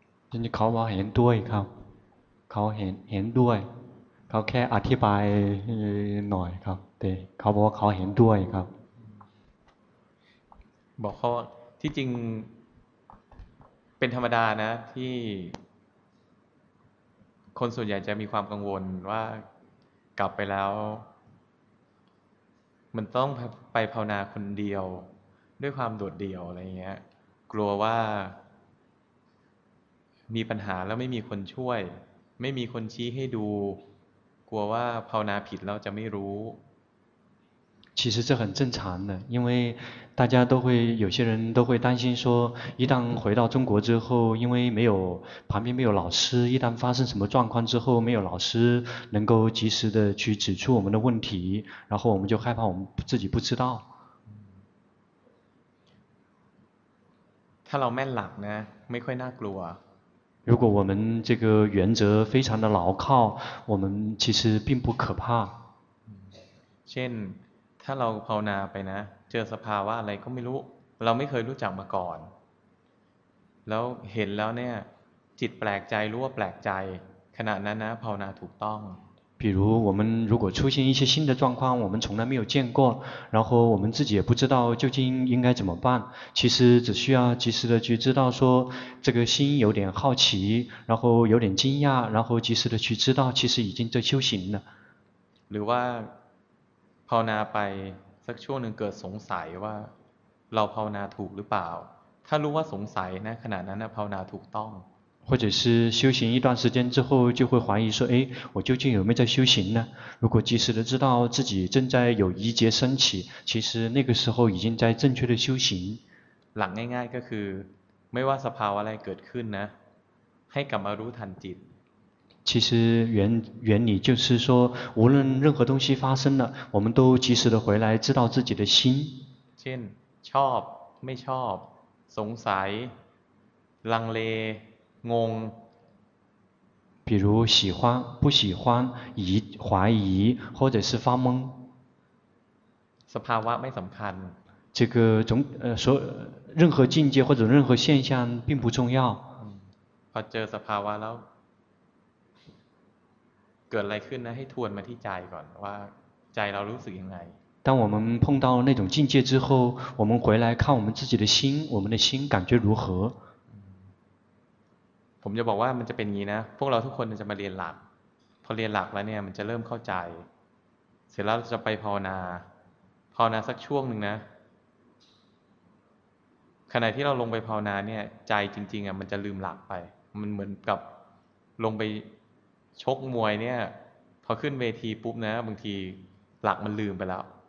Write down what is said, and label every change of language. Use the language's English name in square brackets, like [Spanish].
[Thai] 你考我很多一看考很多一考แค่อธิบายหน่อยครับ对考我考很多一看 บอกเขาที่จริงเป็นธรรมดานะที่คนส่วนใหญ่จะมีความกังวลว่ากลับไปแล้วมันต้องไปภาวนาคนเดียวด้วยความโดดเดี่ยวอะไรเงี้ยกลัวว่ามีปัญหาแล้วไม่มีคนช่วยไม่มีคนชี้ให้ดูกลัวว่าภาวนาผิดแล้วจะไม่รู้ [Chinese] 其实这很正常的，因为大家都会，有些人都会担心说，一旦回到中国之后，因为没有，旁边没有老师，一旦发生什么状况之后，没有老师能够及时的去指出我们的问题，然后我们就害怕我们自己不知道。 [Thai] ถ้าเราแม่นหลักนะ ไม่ค่อยน่ากลัว [Chinese] 如果我们这个原则非常的牢靠，我们其实并不可怕。 [Thai] เช่นถ้าเราภาวนาไปนะเจอสภาวะอะไรก็ไม่รู้เราไม่เคยรู้จักมาก่อนแล้วเห็นแล้วเนี่ยจิตแปลกใจรู้ว่าแปลกใจขณะนั้นนะภาวนาถูกต้อง [Chinese] 比如我们如果出现一些新的状况我们从来没有见过然后我们自己也不知道究竟应该怎么办其实只需要及时的去知道说这个心有点好奇然后有点惊讶然后及时的去知道其实已经在修行了 [Thai] หรือว่าภาวนาไปสักช่วงหนึ่งเกิดสงสัยว่าเราภาวนาถูกหรือเปล่าถ้ารู้ว่าสงสัยนะขณะนั้นภาวนาถูกต้อง [Chinese] 或者是修行一段时间之后就会怀疑说哎我究竟有没有在修行呢如果及时的知道自己正在有疑结升起其实那个时候已经在正确的修行 [Thai] หลักง่ายๆก็คือไม่ว่าสภาวะอะไรเกิดขึ้นนะให้กลับมารู้ทันจิต [Chinese] 其实原理就是说无论任何东西发生了我们都及时的回来知道自己的心 [Thai] เช่นชอบไม่ชอบสงสัยลังเลงง [Chinese] 比如喜欢不喜欢疑怀疑或者是发懵 [Thai] สภาวะไม่สำคัญ [Chinese] 这个总所任何境界或者任何现象并不重要 [Thai] พอเจอสภาวะแล้วเกิดอะไรขึ้นนะให้ทวนมาที่ใจก่อนว่าใจเรารู้สึกยังไง [Chinese] 当我们碰到那种境界之后我们回来看我们自己的心我们的心感觉如何 [Thai] ผมจะบอกว่ามันจะเป็นงี้นะพวกเราทุกคนจะมาเรียนหลักพอเรียนหลักแล้วเนี่ยมันจะเริ่มเข้าใจเสร็จแล้วจะไปภาวนาภาวนาสักช่วงนึงนะขณะที่เราลงไปภาวนาเนี่ยใจจริงๆอ่ะมันจะลืมหลักไปมันเหมือนกับลงไปชกมวยเนี่ยพอขึ้นเวทีปุ๊บนะบางทีหลักมันลืมไปแล้ว